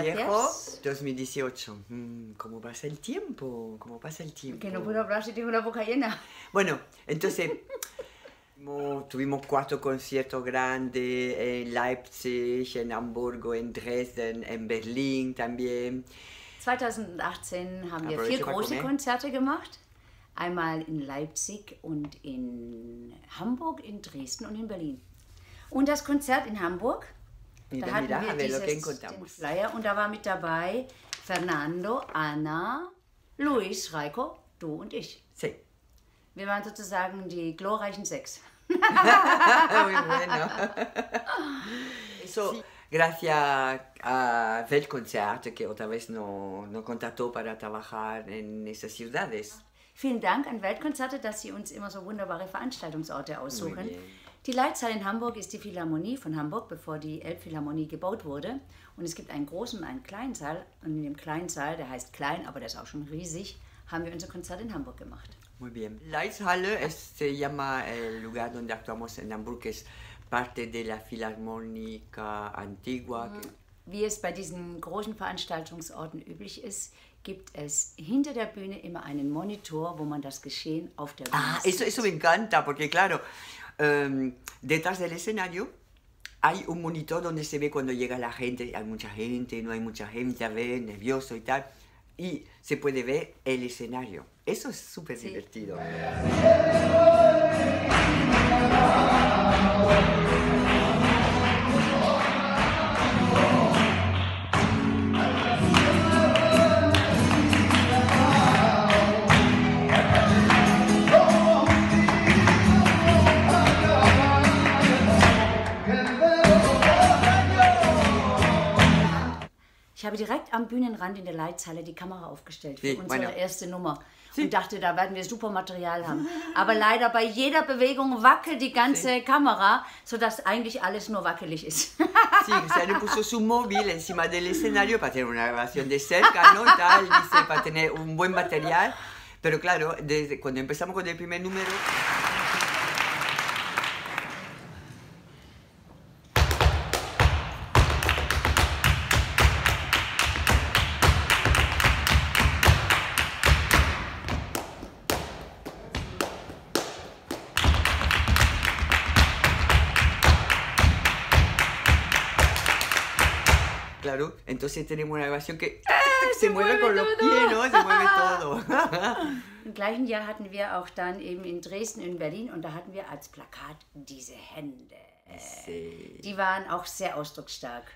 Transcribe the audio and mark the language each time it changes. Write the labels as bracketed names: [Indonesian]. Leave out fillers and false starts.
[Spanish] viejo, 2018. ¿Cómo pasa el tiempo? ¿Cómo pasa el tiempo? Que no puedo hablar si tengo la boca llena. Bueno, entonces, tuvimos 4 conciertos grandes en Leipzig, en Hamburgo, en Dresden, en Berlín también. [German] 2018 haben wir 4 große Konzerte gemacht. Einmal in Leipzig und in Hamburg, in Dresden und in Berlin. Und das Konzert in Hamburg, [Spanish] mira, [German] da hatten [Spanish] mira, [German] wir dieses Flyer und da war mit dabei Fernando, Anna, Luis, Reiko, du und ich. [Spanish] Sí. [German] Wir waren sozusagen die glorreichen 6. [Spanish] Muy bueno. So. Sí. Gracias a Weltkonzert, que otra vez no contactó para trabajar en esas ciudades. [German] Vielen Dank an Weltkonzerte, dass sie uns immer so wunderbare Veranstaltungsorte aussuchen. Die Leitzahl in Hamburg ist die Philharmonie von Hamburg, bevor die Elbphilharmonie gebaut wurde. Und es gibt einen großen und einen kleinen Saal. Und in dem kleinen Saal, der heißt klein, aber der ist auch schon riesig, haben wir unser Konzert in Hamburg gemacht. [Spanish] Muy bien. Leitzhalle, se llama el lugar donde actuamos en Hamburg, es parte de la Filarmónica Antigua. [German] Wie es bei diesen großen Veranstaltungsorten üblich ist, gibt es hinter der Bühne immer einen Monitor, wo man das Geschehen auf der Bühne sieht. [Spanish] Eso me encanta, porque claro, detrás del escenario hay un monitor donde se ve cuando llega la gente, hay mucha gente, no hay mucha gente, a ver, nervioso y tal, y se puede ver el escenario. Eso es súper divertido. [German] Ich habe direkt am Bühnenrand in der Leitzhalle die Kamera aufgestellt für unsere erste Nummer. Und dachte, da werden wir super Material haben. Aber leider bei jeder Bewegung wackelt die ganze Kamera, sodass eigentlich alles nur wackelig ist. [Spanish] Sí, se le puso su móvil encima del escenario para tener una grabación de cerca, ¿no? Tal, dice, para tener un buen material. Pero claro, desde cuando empezamos con el primer número... Claro, entonces tenemos una grabación que se mueve con todo. Los pies, ¿no? Se mueve todo. [German] Im gleichen Jahr hatten wir auch dann eben in Dresden, in Berlin, und da hatten wir als Plakat diese Hände. [Spanish] Sí. [German] Die waren auch sehr ausdrucksstark.